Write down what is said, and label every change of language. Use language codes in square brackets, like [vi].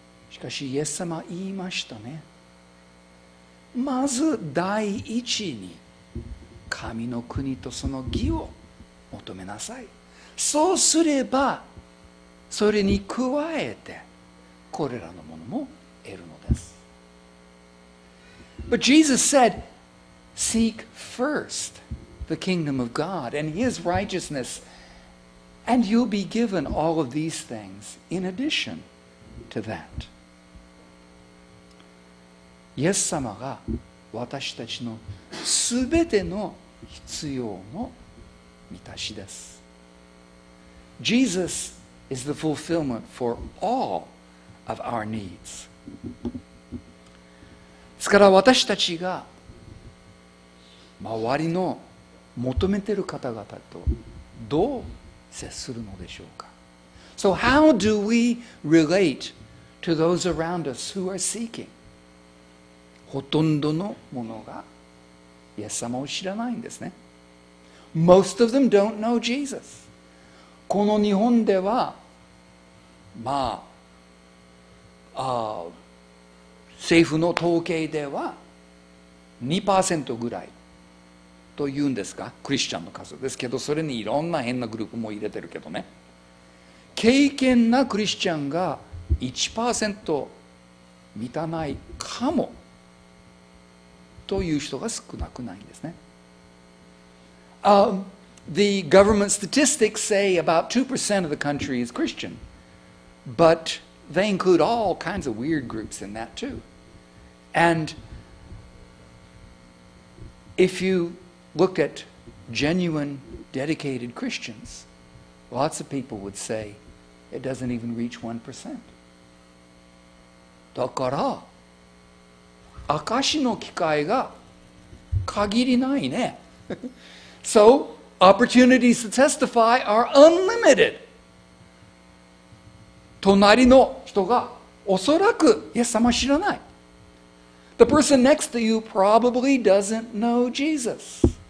[ja] しかし、イエス様言いましたね。まず第一に神の国とその義を求めなさい。そうすれば、それに加えてこれらのものも得るのです。 [en] But Jesus said,Seek first the kingdom of God and his righteousness, and you'll be given all of these things in addition to that. [ja] イエス様が私たちのすべての必要の満たしです。 [en] Jesus is the fulfillment for all of our needs. [ja] ですから私たちが周りの求めている方々とどう接するのでしょうか。 [en] So how do we relate to those around us who are seeking? [ja] ほとんどのものがイエス様を知らないんですね。 [en] Most of them don't know Jesus. [ja] この日本では、まあ、政府の統計では 2% ぐらい。というんですか、クリスチャンの数ですけど、それにいろんな変なグループも入れてるけどね。経験なクリスチャンが 1% 満たないかもという人が少なくないんですね。 [en] The government statistics say about 2% of the country is Christian, but they include all kinds of weird groups in that too. And if youLook at genuine, dedicated Christians. Lots of people would say it doesn't even reach 1%. [ja] だから、証しの機会が限りないね。 [en] So, opportunities to testify are unlimited. [ja] 隣の人がおそらくイエス様知らない。 [en] The person next to you probably doesn't know Jesus.